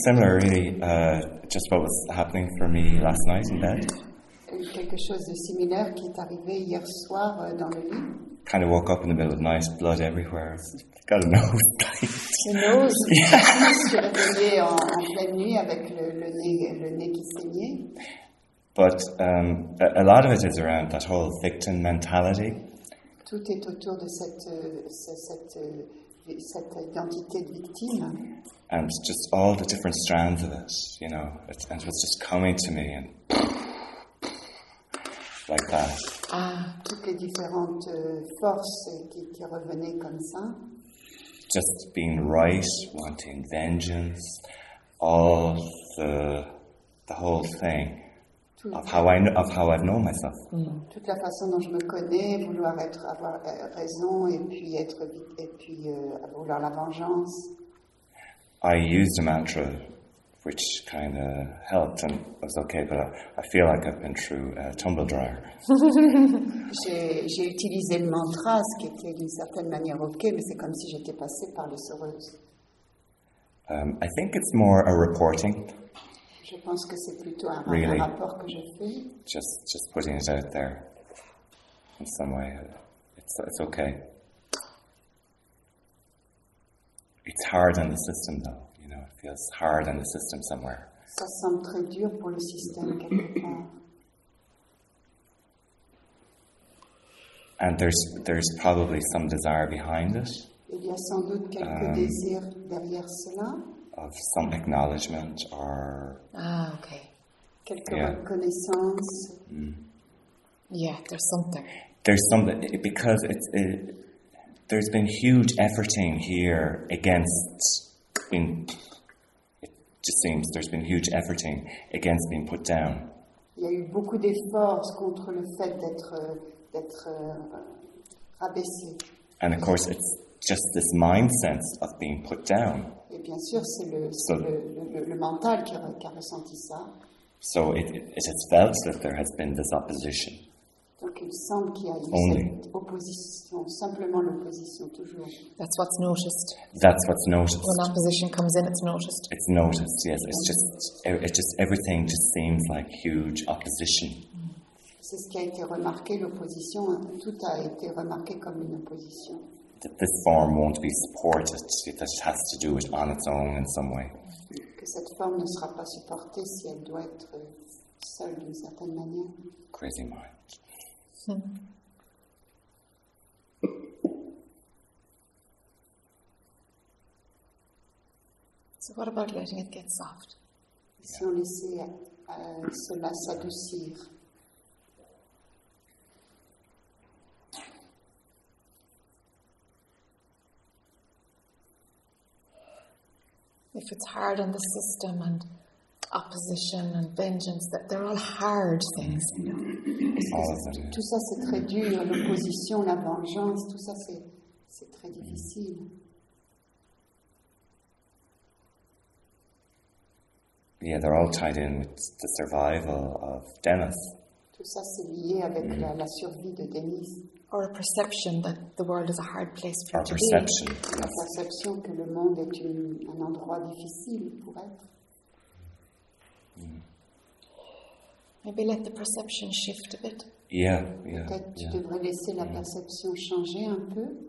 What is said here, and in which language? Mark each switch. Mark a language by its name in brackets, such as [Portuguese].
[English] similar, really, just what was happening for me last night in bed. [French] Quelque chose de similaire qui est arrivé hier soir dans le lit. [English] Kind of woke up in the middle of the night, blood everywhere. Got a nose. A nose. [French] Yeah. Je me suis réveillée en pleine nuit avec le nez qui saignait. [English] But a lot of it is around that whole victim mentality. [French] Tout est autour de cette identité de victime. [English] And just all the different strands of it, you know, and it's just coming to me and like that. [French] Ah, toutes les différentes forces qui revenaient comme ça. [English] Just being right, wanting vengeance, all the whole thing. Of how I know myself. [French] Toute la façon dont je me connais, vouloir être, avoir raison, et puis être, et puis vouloir la vengeance. [English] I used a mantra, which kind of helped and was okay, but I feel like I've been through a tumble dryer. [French] J'ai utilisé le mantra, ce qui était d'une certaine manière okay, mais c'est comme si j'étais passée par les sereuses. [English] I think it's more a reporting. [French] Je pense que c'est plutôt un really, rapport que je fais. [English] Just putting it out there in some way. It's okay. It's hard on the system, though. You know, it feels hard on the system somewhere. [French] Ça semble très dur pour le système quelque part. [English] And there's probably some desire behind it. [French] Il y a sans doute quelque désir derrière cela. [English] Of some acknowledgement or okay, [French] quelque reconnaissance. [English] Mm. Yeah, there's something. There's something because there's been huge efforting here against being. It just seems there's been huge efforting against being put down. [French] Il y a eu beaucoup d'efforts contre le fait d'être rabaissé. [English] And of course, it's just this mind sense of being put down. [French] Et bien sûr, c'est le mental qui a ressenti ça. [English] So it has felt that there has been this opposition. [French] Donc il semble qu'il y a eu only cette opposition, simplement l'opposition, toujours. [English] That's what's noticed. That's what's noticed. When opposition comes in, it's noticed. It's noticed, yes. It's just everything just seems like huge opposition. [French] C'est ce qui a été remarqué, l'opposition. Tout a été remarqué comme une opposition. [English] That this form won't be supported, that it has to do it on its own in some way. [French] Que cette forme ne sera pas supportée si elle doit être seule d'une certaine manière. [English] Crazy mind. So what about letting it get soft? [French] Si on laissait cela s'adoucir. [English] If it's hard on the system and opposition and vengeance, that they're all hard things, you know. [French] Tout ça c'est très dur, l'opposition, la vengeance, tout ça c'est très difficile. [English] Yeah, they're all tied in with the survival of Dennis. [French] Tout ça c'est lié avec la survie de Dennis. [English] Or a perception that the world is a hard place for our perception. [French] La perception que le monde est un endroit difficile pour être. [English] Maybe let the perception shift a bit. Yeah. [French] Peut-être [English] yeah, [French] tu devrais laisser la perception changer un peu.